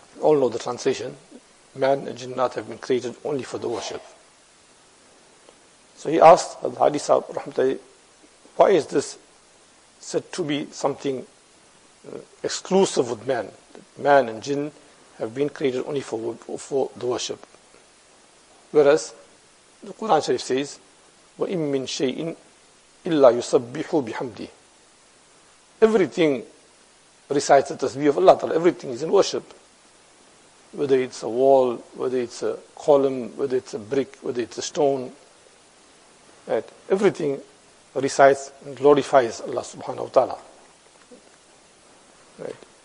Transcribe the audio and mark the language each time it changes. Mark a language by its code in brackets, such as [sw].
[en] All know the translation. Man and jinnat have been created only for the worship. So he asked Hazrat Haji Sahib Rahmatullah Alayh, why is this said to be something exclusive with man? Man and jinn have been created only for the worship. Whereas the Quran Sharif says, [ar] وَإِمْ مِنْ شَيْءٍ إِلَّا يُسَبِّحُ بِحَمْدِهِ. [en] Everything recites the tasbih of Allah Ta'ala. Everything is in worship. Whether it's a wall, whether it's a column, whether it's a brick, whether it's a stone. Right? Everything recites and glorifies Allah Subhanahu Wa Ta'ala. Right?